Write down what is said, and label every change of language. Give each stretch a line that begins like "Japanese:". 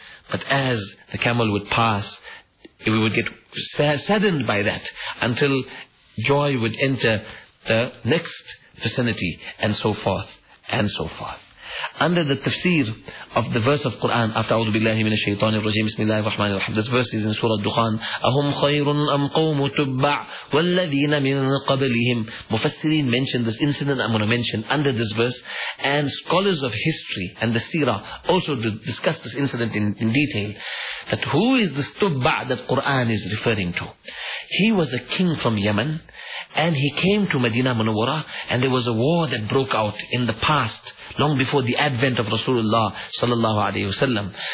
English: But as the camel would pass, we would get saddened by that until joy would enter the next vicinity and so forth and so forth. Under the tafsir of the verse of Quran, after
Arabic: أعوذ بالله من الشيطان الرجيم بسم الله الرحمن الرحيم,
English: this verse is in Surah Dukhan.
Arabic: أهم خير أم قوم تبع والذين من قبلهم.
English: Mufassirin mentioned this incident, I'm going to mention under this verse, and scholars of history and the seerah also discuss this incident in detail, that who is this تبع that Quran is referring to. He was a king from Yemen, and he came to Medina Munawwara, and there was a war that broke out in the past, long before the advent of Rasulullah sallallahu alayhi wa sallam.